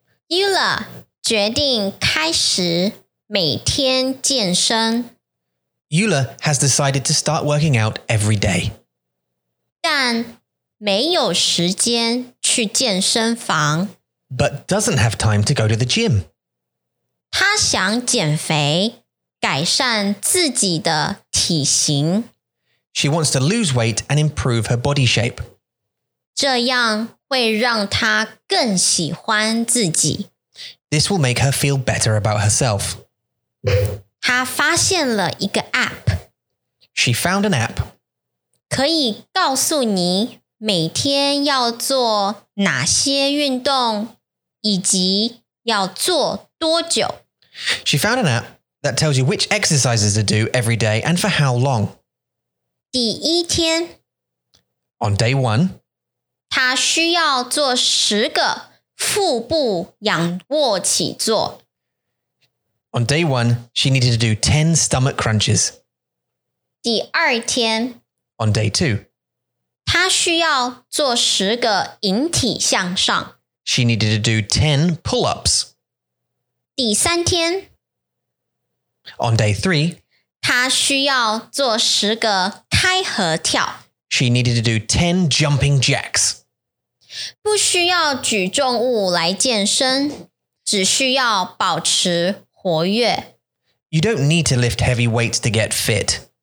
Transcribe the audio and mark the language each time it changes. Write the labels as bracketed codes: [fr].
[zh] Yula 决定开始每天健身。 [en] Yula has decided to start working out every day. [zh] 但没有时间去健身房。 [en] But doesn't have time to go to the gym. [zh] 他想减肥，改善自己的体型。 [en] She wants to lose weight and improve her body shape. [zh] 这样会让她更喜欢自己。 [en] This will make her feel better about herself. [zh] 她发现了一个 app. [en] She found an app. [zh] 可以告诉你每天要做哪些运动以及要做多久。 [en] She found an app that tells you which exercises to do every day and for how long. [zh] 第一天 [en] On day one, [zh] 她需要做十个腹部仰卧起坐。 [en] On day one, she needed to do 10 stomach crunches. [zh] 第二天 [en] On day two, [zh] 她需要做十个引体向上。 [en] She needed to do 10 pull-ups. [zh] 第三天 [en] On day three, [zh] 她需要做十个开合跳。 [en] She needed to do 10 jumping jacks. [zh] 不需要举重物来健身，只需要保持活跃。 [en] You don't need to lift heavy weights to get fit.